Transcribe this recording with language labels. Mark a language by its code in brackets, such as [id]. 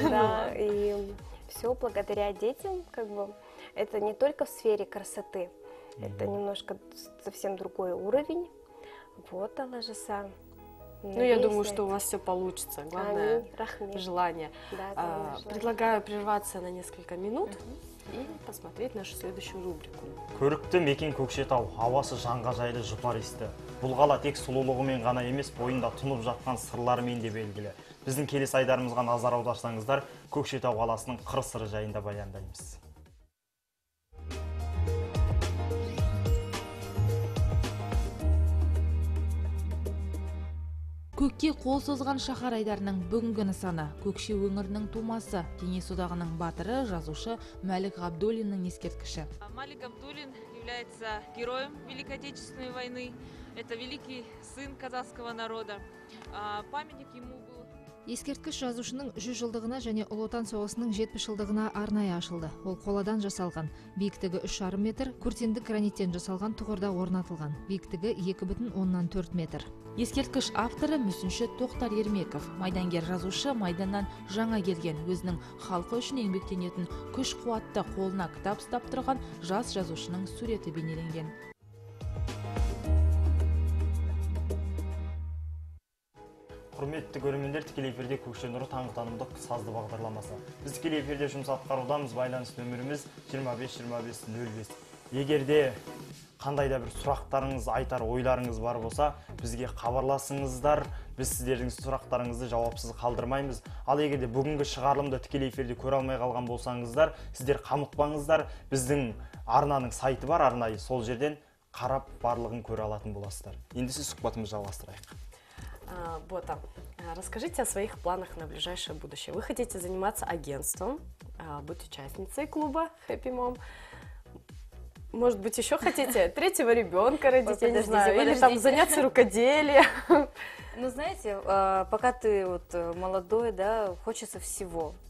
[ru] Да, и все благодаря детям, как бы это не только в сфере красоты, это немножко совсем другой уровень. Вот она же сам. Ну, я думаю, что у вас все получится. Главное желание. Предлагаю прерваться на несколько минут. И посмотреть нашу следующую рубрику. [kk] Көрікті мекен Көкшетау, ауасы жанға жайлы жұпар исті. Бұл қала тек сұлулығымен ғана емес, бойында тұнып жатқан сырларымен де белгілі. Біздің келесі айдарымызға назар аударсаңыздар, Көкшетау қаласының қыр-сыры жайында баяндаймыз. тәуелсіздікке қол созған шахар айдарының бүгінгі нысаны Көкше өңірінің тумасы, Кеңес одағының батыры, жазушы Мәлік Ғабдуллиннің ескерткіші. [ru] Мәлік Ғабдуллин является героем Великой Отечественной войны. Это великий сын казахского народа. Памятник ему был. [kk] Ескерткіш жазушының 100 жылдығына және Ұлы Отан соғысының 70 жылдығына арнайы ашылды. Ол қоладан жасалған. Биіктігі 3,5 метр, көртендік граниттен жасалған тұғырда орнатылған. Биіктігі 2,4 метр. Ескерткіш авторы мүсінші Тоқтар Ермеков. Майдангер жазушы майданнан жаңа келген, өзінің халқы үшін еңбектенетін күш-қуатты қолына кітап ұстап тұрған жас жазушының суреті бейнеленген. Құрметті көрермендер, тікелей эфирде Көкше Нұры таңғы-танымдық сазды бағдарламасы. Біз тікелей эфирде жұмыс атқарудамыз, байланыс нөміріміз 25-25-05. Егер де қандай да бір сұрақтарыңыз, айтар ойларыңыз бар болса, бізге хабарласыңыздар, біз сіздердің сұрақтарыңызды жауапсыз қалдырмаймыз. Ал егер де бүгінгі шығарылымды тікелей эфирде көре алмай қалған болсаңыздар, сіздер қамықпаңыздар, біздің арнаның сайты бар, арнайы сол жерден қарап барлығын көре алатын боласыздар. Енді сіз сұхбатымызды жалғастырайық. [ru] Бота, расскажите о своих планах на ближайшее будущее. Вы хотите заниматься агентством, быть участницей клуба Happy Mom. Может быть, еще хотите третьего ребенка родить, вот, я подождите, не знаю, подождите. Или там заняться рукоделием. Ну, знаете, пока ты вот молодой, да, хочется всего.